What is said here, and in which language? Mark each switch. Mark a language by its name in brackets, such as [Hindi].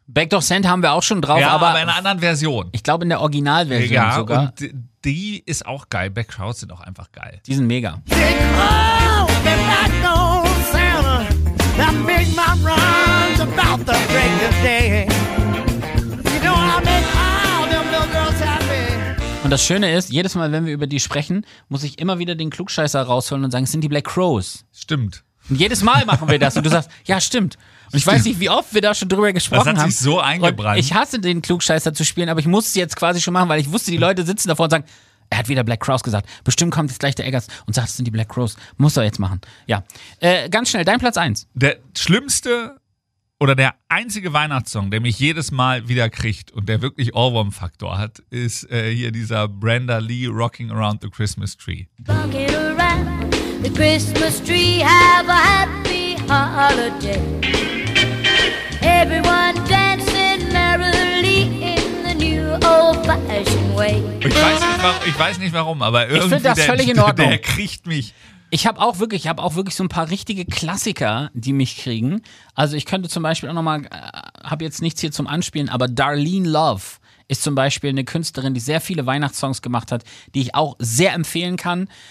[German] Backdoor Santa haben wir auch schon drauf. Ja, aber in einer anderen Version. Ich glaube in der Originalversion ja, sogar. Und die ist auch geil. Black Crowes sind auch einfach geil. Die sind mega. [English] Oh, I make my runs about the break of day. You know I make all them little girls happy. [German] Und das Schöne ist, jedes Mal, wenn wir über die sprechen, muss ich immer wieder den Klugscheißer rausholen und sagen, es sind die Black Crowes. Stimmt. Und jedes Mal machen wir das und du sagst, ja, stimmt. Und stimmt. Ich weiß nicht, wie oft wir da schon drüber gesprochen haben. Das hat sich so eingebrannt. Ich hasse den Klugscheißer zu spielen, aber ich muss es jetzt quasi schon machen, weil ich wusste, die Leute sitzen davor und sagen, er hat wieder Black Crowes gesagt. Bestimmt kommt jetzt gleich der Eggers und sagt, es sind die Black Crowes. Muss er jetzt machen. Ja. Ganz schnell, dein Platz 1. Der schlimmste oder der einzige Weihnachtssong, der mich jedes Mal wieder kriegt und der wirklich Ohrwurm-Faktor hat, ist hier dieser Brenda Lee Rocking Around the Christmas Tree. [English] Rocking around the Christmas tree, have a happy holiday. Everyone dancing merrily in the new old-fashioned way. [German] Ich weiß nicht warum, aber irgendwie ich find das völlig in Ordnung. Der kriegt mich. Ich hab auch wirklich so ein paar richtige Klassiker, die mich kriegen. Also ich könnte zum Beispiel auch nochmal, habe jetzt nichts hier zum Anspielen, aber Darlene Love ist zum Beispiel eine Künstlerin, die sehr viele Weihnachtssongs gemacht hat, die ich auch sehr empfehlen kann.